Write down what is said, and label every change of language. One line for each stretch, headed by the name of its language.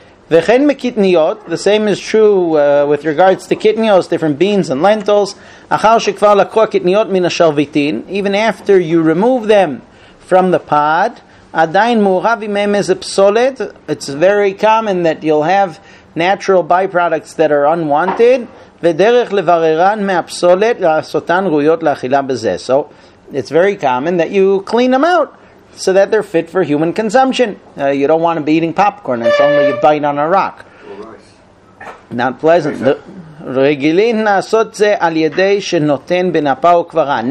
Hebrew: V'chen mekitniot,
English: the same is true with regards to kitniot, different beans and lentils.
Hebrew: Achal shekvar lakro kitniot min ha-shalvitin,
English: even after you remove them from the pod,
Hebrew: עדיין מעורב עםם איזה פסולת.
English: It's very common that you'll have natural byproducts that are unwanted.
Hebrew: ודרך לבררן מהפסולת לעשותן ראויות לאכילה בזה.
English: So it's very common that you clean them out so that they're fit for human consumption. You don't want to be eating popcorn. It's only you bite on a rock. Not pleasant.
Hebrew: רגילים לעשות זה על ידי שנותן בנפה וכברן.